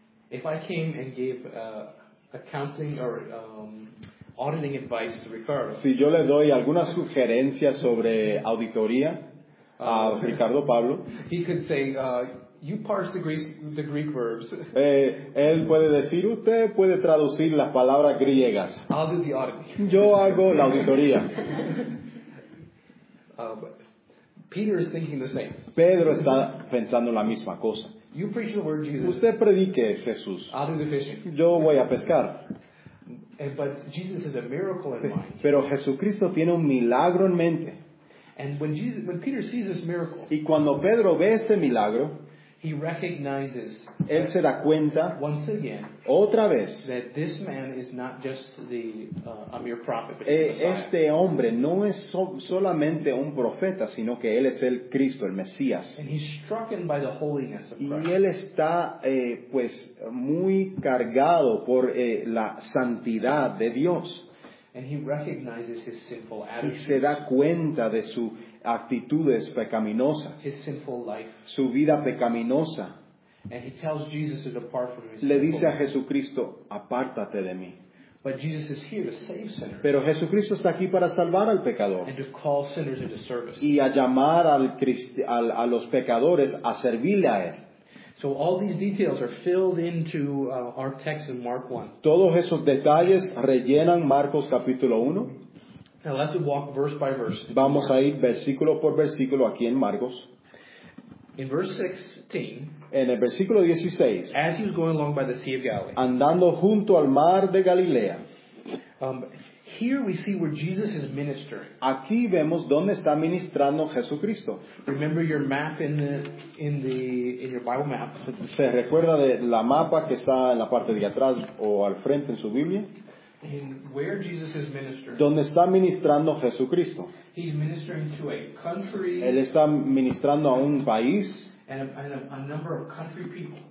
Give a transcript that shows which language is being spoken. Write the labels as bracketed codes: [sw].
[en] If I came and gave accounting or auditing advice to Ricardo. [es] Si yo le doy alguna sugerencia sobre auditoría a Ricardo Pablo. [en] He could say, you parse the Greek verbs. [es] Él puede decir, usted puede traducir las palabras griegas. [en] I'll do the auditing. [es] Yo hago la auditoría. [en] Peter is thinking the same. [es] Pedro está pensando la misma cosa. [en] You preach the word Jesus. [es] Usted predique Jesús. [en] I'll do the fishing. [es] Yo voy a pescar. [en] But Jesus has a miracle in mind. [es] Pero Jesucristo tiene un milagro en mente. [en] And when Jesus, when Peter sees this miracle, [es] y cuando Pedro ve este milagro, [en] he recognizes, [es] él se da cuenta, [en] once again, [es] otra vez, [en] that this man is not just the a mere prophet, but [es] este hombre no es solamente un profeta, sino que él es el Cristo, el Mesías. [en] And he's struck by the holiness of Christ. [es] Y él está pues muy cargado por la santidad de Dios. [en] And he recognizes his sinful attitude. [es] Y se da cuenta de su actitudes pecaminosas. [en] His sinful life. [es] Su vida pecaminosa. [en] And he tells Jesus to depart from his [es] Le dice a Jesucristo, apártate de mí. [en] But Jesus is here to save sinners. [es] Pero Jesucristo está aquí para salvar al pecador. [en] And to call sinners into service. [es] Y a llamar a los pecadores a servirle a él. [en] So all these details are filled into our text in Mark 1. [es] Todos esos detalles rellenan Marcos capítulo 1. [en] Now let's walk verse by verse. [es] Vamos a ir versículo por versículo aquí en Marcos. [en] In verse 16. [es] En el versículo 16. [en] As he was going along by the Sea of Galilee. [es] Andando junto al mar de Galilea. [en] Here we see where Jesus is ministering. [es] Aquí vemos dónde está ministrando Jesucristo. [en] Remember your map in your Bible map. [es] ¿Se recuerda de la mapa que está en la parte de atrás o al frente en su Biblia? [en] In where Jesus is ministering. [es] ¿Dónde está ministrando Jesucristo? [en] He's ministering to a country. [es] Él está ministrando a un país. [en] And a number of country people.